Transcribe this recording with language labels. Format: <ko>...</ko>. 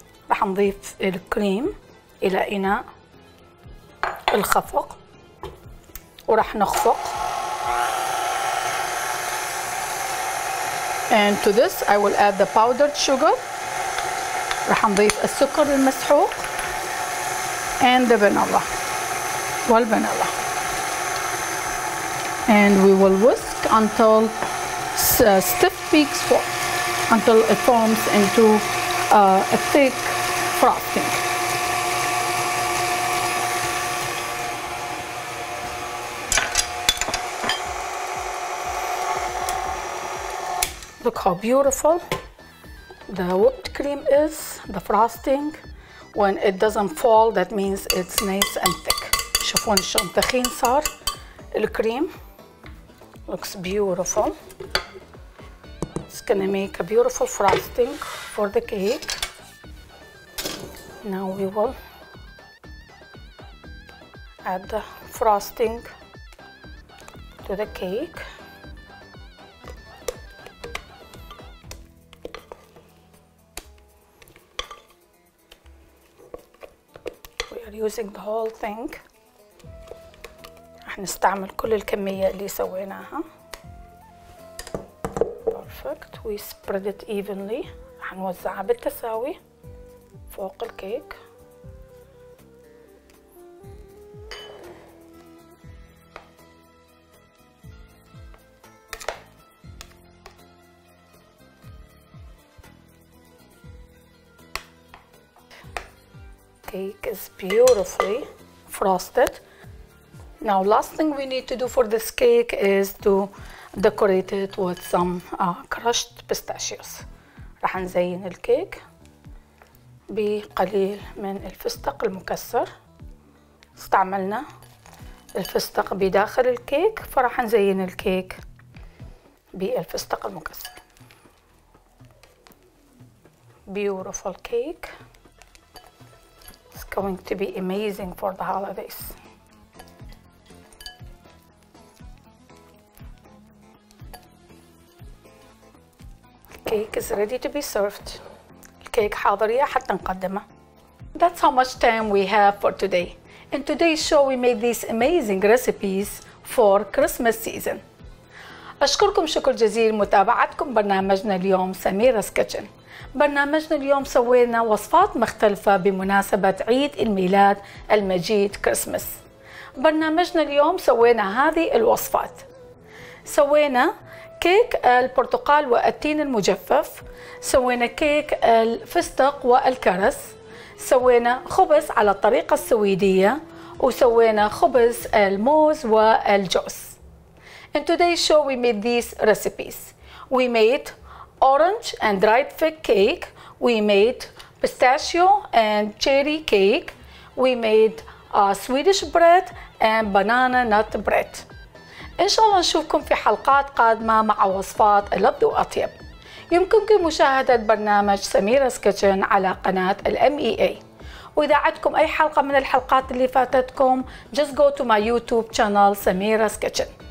<ar>راح نضيف الكريم إلى إناء الخفق وراح نخفق.</ar> <en>And to this, I will add the powdered sugar.</en> <ar>راح نضيف السكر المسحوق</ar> <en>and the vanilla.</en> <ar>والفانيلا.</ar> <en>And we will whisk until stiff peaks form, until it forms into a thick frosting. Look how beautiful the whipped cream is, the frosting. When it doesn't fall, that means it's nice and thick.</en> <ar>شوفون شلون تخين صار الكريم.</ar> <en>Looks beautiful. It's gonna make a beautiful frosting for the cake. Now we will add the frosting to the cake. We are using the whole thing.</en> <ar>هنستعمل كل الكمية اللي سويناها.</ar> <en>Perfect. We spread it evenly.</en> <ar>هنوزعها بالتساوي فوق الكيك.</ar> <en>Cake is beautifully frosted. Now, last thing we need to do for this cake is to decorate it with some crushed pistachios.</en> <ar>راح نزين الكيك بقليل من الفستق المكسر. استعملنا الفستق بداخل الكيك، فراح نزين الكيك بالفستق المكسر.</ar> <en>Beautiful cake. It's going to be amazing for the holidays. Cake is ready to be served.</en> <ar>الكيك حاضر يا حتى نقدمه.</ar> <en>That's how much time we have for today. In today's show we made these amazing recipes for Christmas season.</en> <ar>أشكركم شكر جزيل متابعتكم برنامجنا اليوم سميرة's Kitchen. برنامجنا اليوم سوينا وصفات مختلفة بمناسبة عيد الميلاد المجيد كريسمس. برنامجنا اليوم سوينا هذه الوصفات. سوينا كيك البرتقال والتين المجفف، سوينا كيك الفستق والكرز، سوينا خبز على الطريقة السويدية، وسوينا خبز الموز والجوز.</ar> <en>In today's show we made these recipes. We made orange and dried fig cake. We made pistachio and cherry cake. We made Swedish bread and banana nut bread.</en> <ar>إن شاء الله نشوفكم في حلقات قادمة مع وصفات ألذ وأطيب. يمكنكم مشاهدة برنامج سميرة's Kitchen على قناة MEA. وإذا عدتكم أي حلقة من الحلقات اللي فاتتكم</ar> <en>just go to my YouTube channel</en> <ar>سميرة's Kitchen.</ar>